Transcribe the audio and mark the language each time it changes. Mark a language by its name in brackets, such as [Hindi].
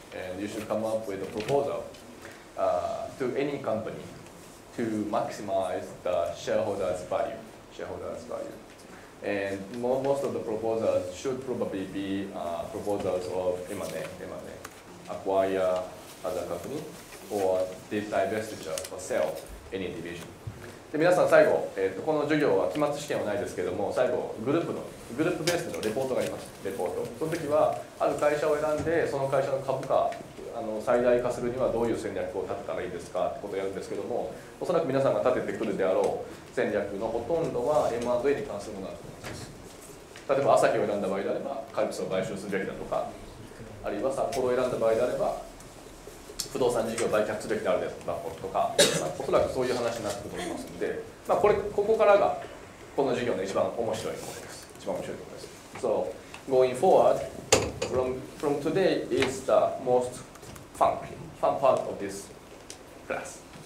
[English] And you should come up with a proposal to any company to maximize the shareholders' value. And most of the proposals should probably be proposals of M&A, acquire other company, or divestiture, or sell any division. [Japanese] で皆さん最後、この授業は期末試験はないですけども、最後、グループベースのレポートがあります。レポート。その時は、ある会社を選んで、その会社の株価、最大化するにはどういう戦略を立てたらいいですかってことをやるんですけども、おそらく皆さんが立ててくるであろう戦略のほとんどは M&A に関するものだと思います。例えば、アサヒを選んだ場合であれば、カルピスを買収するべきだとか、あるいは札幌を選んだ場合であれば、不動産事業を売却すべきであるでとか、おそらくそういう話になってくると思いますので、まあ、ここからがこの授業の一番面白いところです。一番面白いところです。 [English] So, going forward, from today is the most fun part of this class.